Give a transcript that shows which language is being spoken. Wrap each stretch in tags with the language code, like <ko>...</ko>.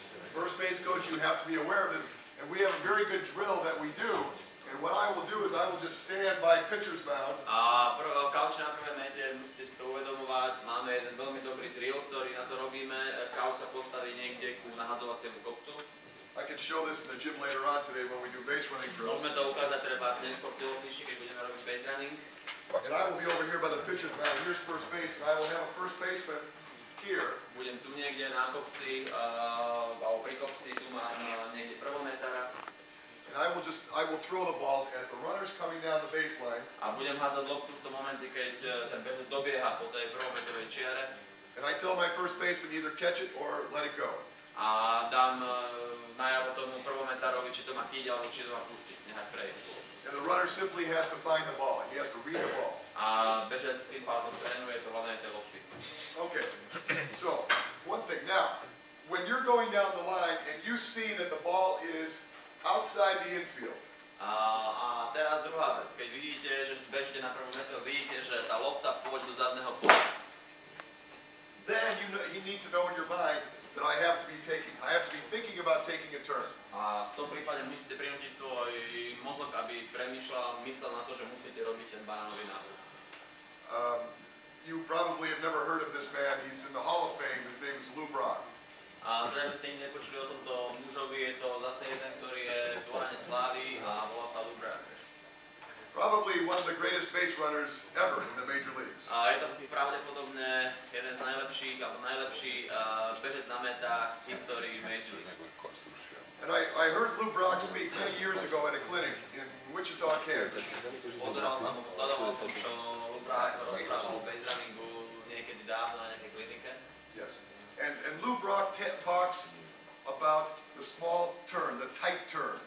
<en>First base coach, you have to be aware of this. And we have a very good drill that we do. And what I will do is I will just stand by pitcher's mound.</en> <sk>Kauč na prvé mete, musíte si to uvedomovať. Máme jeden veľmi dobrý drill, ktorý na to robíme. Kauč sa postaví niekde ku nahadzovaciemu kopcu.</sk> <en>I can show this in the gym later on today when we do base running drills.</en> <sk>Môžeme to ukázať treba dnes po telovýši, keď budeme robiť base running.</sk> <en>And I will be over here by the pitcher's mound. Here's first base. And I will have a first baseman here.</en> <sk>Budem tu niekde na kopci, alebo pri kopci, tu mám niekde prvometára.</sk> <en>And I will throw the balls at the runners coming down the baseline.</en> <sk>A budem hádzať loptu v tom momente, keď ten bežec dobieha po tej prvometovej čiare.</sk> <en>And I tell my first baseman either catch it or let it go.</en> <sk>A dám najavo tomu prvometárovi, či to má chytiť, alebo či to má pustiť, nechať prejsť.</sk> <en>And the runner simply has to find the ball. He has to read the ball.</en> <sk>A bežec s tým pádom trénuje to hľadanie tej lopty.</sk> <en>Okay. So, one thing. Now, when you're going down the line and you see that the ball is outside the infield.</en> <sk>A teraz druhá vec. Keď vidíte, že bežíte na prvú metu, vidíte, že tá lopta pôjde do zadného pola.</sk> <en>Then you need to know in your mind that I have to be thinking about taking a turn.</en> <sk>A v tom prípade musíte prinútiť svoj mozog, aby premýšľal, myslel na to, že musíte robiť ten banánový návrh.</sk> <en>You probably have never heard of this man. He's in the Hall of Fame. His name is Lou Brock.</en> <sk>A zrejme ste nikdy nepočuli o tomto mužovi. Je to zase jeden, ktorý je v dvorane slávy a volá sa Lou Brock.</sk> <en>Probably one of the greatest base runners ever in the major leagues.</en> <sk>A je to pravdepodobne jeden z najlepších alebo najlepší bežec na metách v histórii major league.</sk> <en>And I heard Lou Brock speak many years ago at a clinic in Wichita, Kansas.</en> <sk>Pozeral som ho, sledoval som, čo Lou Brock rozprával o base runningu niekedy dávno na nejakej klinike.</sk> <en>Yes. And Lou Brock talks about the small turn, the tight turn.</en>